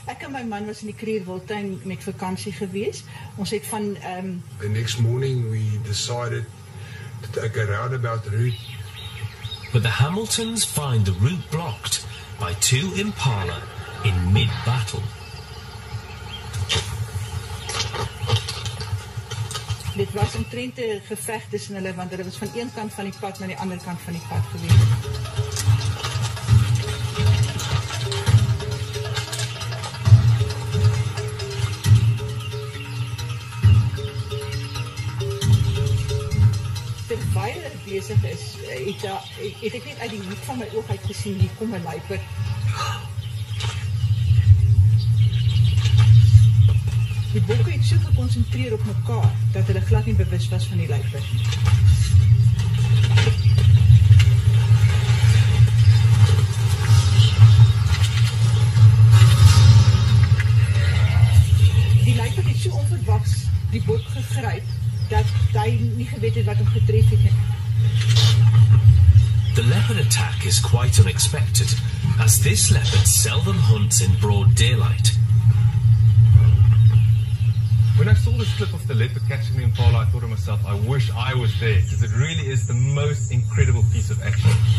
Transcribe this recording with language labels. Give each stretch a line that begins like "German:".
Afrikaans: Ek en my man was in die Kruierwoudtuin met vakansie gewees. Ons het van
English: the next morning we decided to take a roundabout route. But the Hamiltons find the route blocked by 2 impala in mid-battle.
Afrikaans: Dit was omtrent 'n geveg tussen hulle, want hulle was van een kant van die pad na die ander kant van die pad gewees. Terwyl hy besig is, het ek net uit die hoek van my oog uit gesien, hier kom 'n luiper. Die bokke het so geconcentreer op mekaar dat hulle glad nie bewus was van die luiper. Die luiper het so onverwags die bok gegryp dat hy nie geweet het wat hom getref het nie.
English: The leopard attack is quite unexpected, as this leopard seldom hunts in broad daylight. When I saw this clip of the leopard catching the impala, I thought to myself, I wish I was there, because it really is the most incredible piece of action.